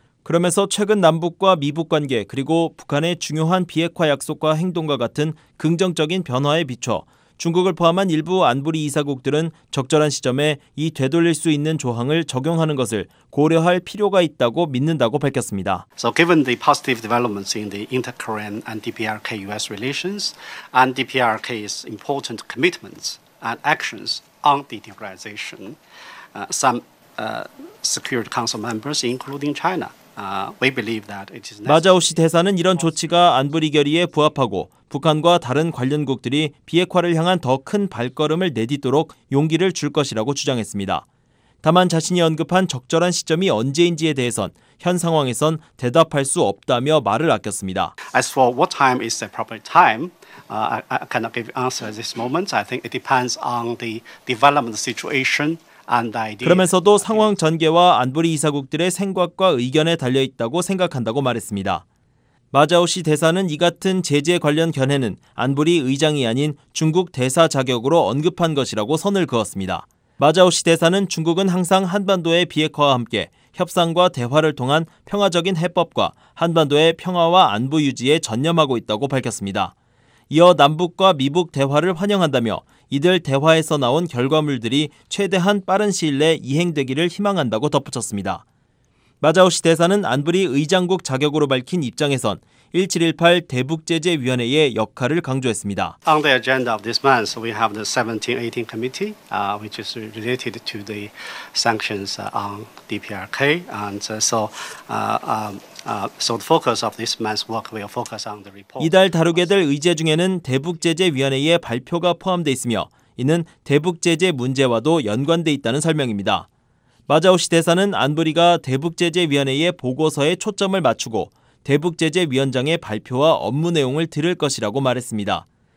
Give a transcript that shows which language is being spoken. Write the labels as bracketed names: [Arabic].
[Korean] 그러면서 최근 남북과 미북 관계 그리고 북한의 중요한 비핵화 약속과 행동과 같은 긍정적인 변화에 비춰 중국을 포함한 일부 안보리 이사국들은 적절한 시점에 이 되돌릴 수 있는 조항을 적용하는 것을 고려할 필요가 있다고 믿는다고 밝혔습니다. [English] So given the positive developments in the inter-Korean and DPRK-US relations and DPRK's important commitments and actions on denuclearization, some Security Council members, including China, we believe that it is necessary. [Korean] 마자오시 대사는 이런 조치가 안보리 결의에 부합하고 북한과 다른 관련국들이 비핵화를 향한 더 큰 발걸음을 내딛도록 용기를 줄 것이라고 주장했습니다. 다만 자신이 언급한 적절한 시점이 언제인지에 대해선 현 상황에선 대답할 수 없다며 말을 아꼈습니다. [English] As for what time is the proper time, I cannot give answer at this moment. I think it depends on the development situation and the idea. [Korean] 그러면서도 상황 전개와 안보리 이사국들의 생각과 의견에 달려있다고 생각한다고 말했습니다. 마자오시 대사는 이 같은 제재 관련 견해는 안보리 의장이 아닌 중국 대사 자격으로 언급한 것이라고 선을 그었습니다. 마자오시 대사는 중국은 항상 한반도의 비핵화와 함께 협상과 대화를 통한 평화적인 해법과 한반도의 평화와 안보 유지에 전념하고 있다고 밝혔습니다. 이어 남북과 미북 대화를 환영한다며 이들 대화에서 나온 결과물들이 최대한 빠른 시일 내 이행되기를 희망한다고 덧붙였습니다. 마자오시 대사는 안보리 의장국 자격으로 밝힌 입장에선 1718 대북제재위원회의 역할을 강조했습니다. [English] On the agenda of this month, we have the 17-18 committee, which is related to the sanctions on DPRK. And so the focus of this month's work will focus on the report. [Korean] 이달 다루게 될 의제 중에는 대북제재위원회의 발표가 포함돼 있으며, 이는 대북제재 문제와도 연관돼 있다는 설명입니다. 마자오시 대사는 안보리가 대북제재위원회의 보고서에 초점을 맞추고 대북제재위원장의 발표와 업무 내용을 들을 것이라고 말했습니다.